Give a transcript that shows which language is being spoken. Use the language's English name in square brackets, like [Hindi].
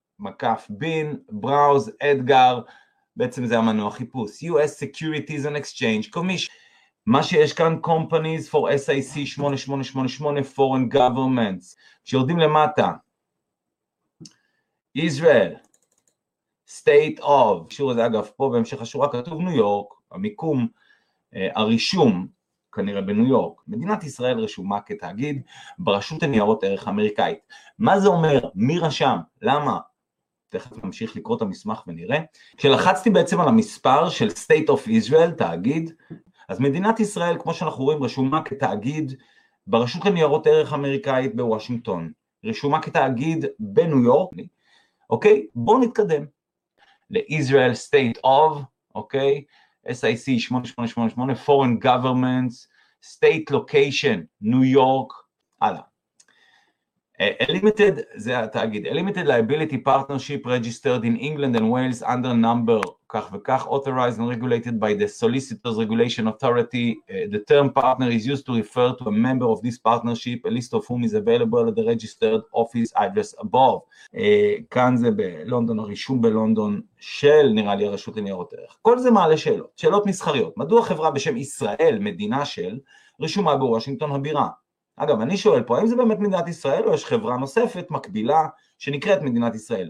[Hebrew] sec.gov/cgi/bin/browse/edgar, בעצם זה המנוע חיפוש, US Securities and Exchange Commission. מה שיש כאן, [English] companies for SIC 8888 foreign governments, [Hebrew] שיורדים למטה, Israel, state of, שור הזה אגב פה בהמשך השורה כתוב ניו יורק, המיקום, הרישום, כנראה בניו יורק. מדינת ישראל רשומה כתאגיד ברשות הניירות ערך האמריקאית. מה זה אומר? מי רשם? למה? תכף נמשיך לקרוא את המסמך ונראה. כשלחצתי בעצם על המספר של State of Israel, תאגיד, אז מדינת ישראל, כמו שאנחנו רואים, רשומה כתאגיד ברשות הניירות ערך האמריקאית בוושינגטון. רשומה כתאגיד בניו יורק. אוקיי? בואו נתקדם. [English] ל-Israel State of, אוקיי? SIC 8888, Foreign Governments, State Location, New York, הלאה. Limited, [Hebrew] זה התאגיד, [English] Limited Liability Partnership Registered in England and Wales under number, כך וכך, authorized and regulated by the Solicitors Regulation Authority, the term partner is used to refer to a member of this partnership, a list of whom is available at the registered office address above. [Hebrew] כאן זה בלונדון, הרישום בלונדון של, נראה לי, הרשות לניירות ערך. כל זה מעלה שאלות, שאלות מסחריות. מדוע חברה בשם ישראל, מדינה של, רשומה בוושינגטון הבירה? אגב, אני שואל פה, האם זה באמת מדינת ישראל, או יש חברה נוספת, מקבילה, שנקראת מדינת ישראל?